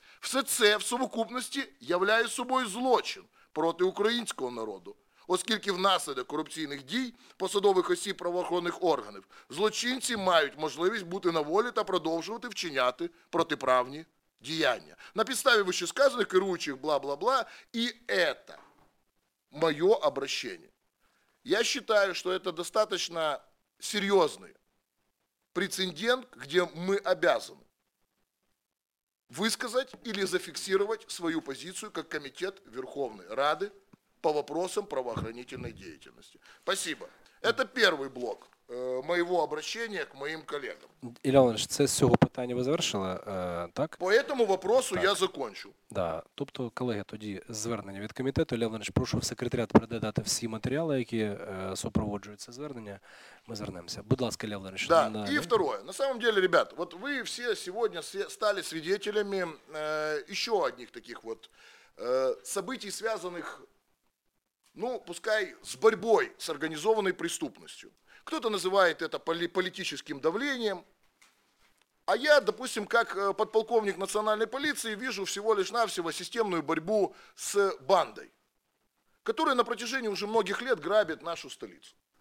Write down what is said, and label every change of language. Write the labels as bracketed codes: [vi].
[uk] Все це в совокупності являє собою злочин проти українського народу, оскільки внаслідок корупційних дій посадових осіб правоохоронних органів злочинці мають можливість бути на волі та продовжувати вчиняти протиправні діяння. На підставі вищесказаних керуючих бла-бла-бла, і це моє обращення. Я вважаю, що це достатньо серйозний прецедент, де ми обязані [ru] высказать или зафиксировать свою позицию как комитет Верховной Рады по вопросам правоохранительной деятельности. Спасибо. Это первый блок моего обращения к моим коллегам. [uk] Илья Леонидович, це з цього питання ви завершили, так? [ru] По этому вопросу так. Я закончу. Да. [uk] Тобто, колеги, тоді звернення від комітету. Ілля Леонидович, прошу в секретаріат передати всі матеріали, які супроводжуються звернення. Ми звернемося. Будь ласка, Ілля Леонидович. Да. І второе. [ru] На самом деле, ребят, вот вы все сегодня стали свидетелями еще одних таких вот событий, связанных, ну, пускай с борьбой с организованной преступностью. Кто-то называет это политическим давлением, а я, допустим, как подполковник национальной полиции, вижу всего лишь навсего системную борьбу с бандой, которая на протяжении уже многих лет грабит нашу столицу.